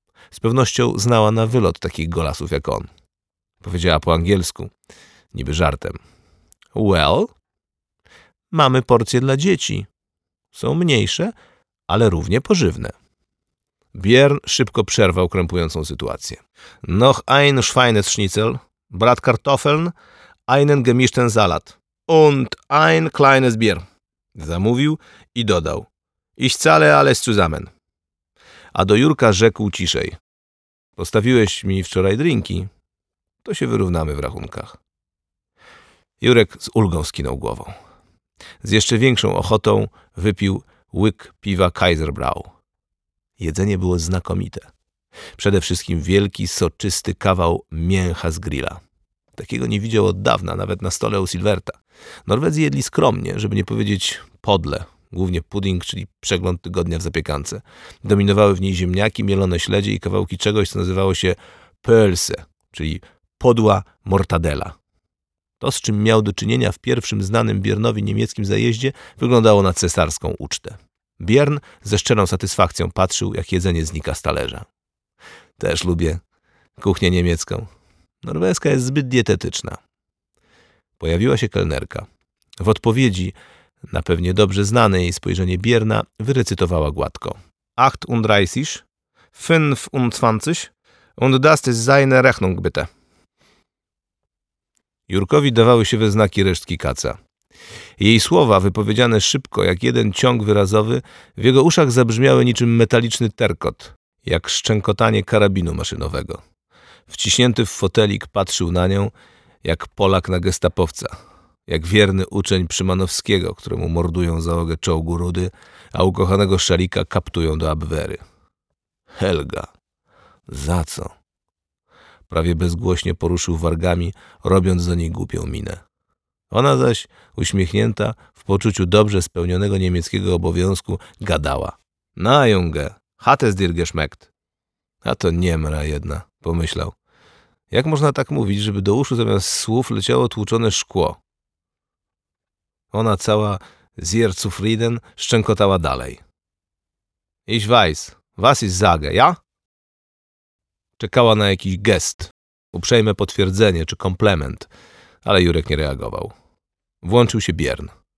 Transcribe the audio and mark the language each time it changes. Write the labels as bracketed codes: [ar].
[pl] Z pewnością znała na wylot takich golasów jak on. Powiedziała po angielsku, niby żartem. Well, mamy porcje dla dzieci. Są mniejsze, ale równie pożywne. Biern szybko przerwał krępującą sytuację. [de] Noch ein Schweine Schnitzel, Bratkartoffeln, einen gemischten Salat und ein kleines Bier. [pl] Zamówił i dodał. [de] Ich zahle alles zusammen. [pl] A do Jurka rzekł ciszej. Postawiłeś mi wczoraj drinki, to się wyrównamy w rachunkach. Jurek z ulgą skinął głową. Z jeszcze większą ochotą wypił łyk piwa Kaiserbrau. Jedzenie było znakomite. Przede wszystkim wielki, soczysty kawał mięcha z grilla. Takiego nie widział od dawna, nawet na stole u Silverta. Norwedzy jedli skromnie, żeby nie powiedzieć podle. Głównie pudding, czyli przegląd tygodnia w zapiekance. Dominowały w niej ziemniaki, mielone śledzie i kawałki czegoś, co nazywało się pølse, czyli podła mortadela. To, z czym miał do czynienia w pierwszym znanym Biernowi niemieckim zajeździe, wyglądało na cesarską ucztę. Biern ze szczerą satysfakcją patrzył, jak jedzenie znika z talerza. Też lubię kuchnię niemiecką. Norweska jest zbyt dietetyczna. Pojawiła się kelnerka. W odpowiedzi na pewnie dobrze znane jej spojrzenie Bierna wyrecytowała gładko. [de] 38, 25 und das ist seine Rechnung bitte. [pl] Jurkowi dawały się we znaki resztki kaca. Jej słowa, wypowiedziane szybko, jak jeden ciąg wyrazowy, w jego uszach zabrzmiały niczym metaliczny terkot, jak szczękotanie karabinu maszynowego. Wciśnięty w fotelik patrzył na nią, jak Polak na gestapowca, jak wierny uczeń Przymanowskiego, któremu mordują załogę czołgu Rudy, a ukochanego Szalika kaptują do Abwery. Helga, za co? Prawie bezgłośnie poruszył wargami, robiąc do niej głupią minę. Ona zaś, uśmiechnięta, w poczuciu dobrze spełnionego niemieckiego obowiązku, gadała. [de] Na, Junge, hat es dir geschmeckt? [pl] A to niemra jedna, pomyślał. Jak można tak mówić, żeby do uszu zamiast słów leciało tłuczone szkło? Ona cała, [de] sehr zufrieden, [pl] szczękotała dalej. [de] Ich weiß, was ist sage, ja? [pl] Czekała na jakiś gest, uprzejme potwierdzenie czy komplement, ale Jurek nie reagował. Włączył się Biern.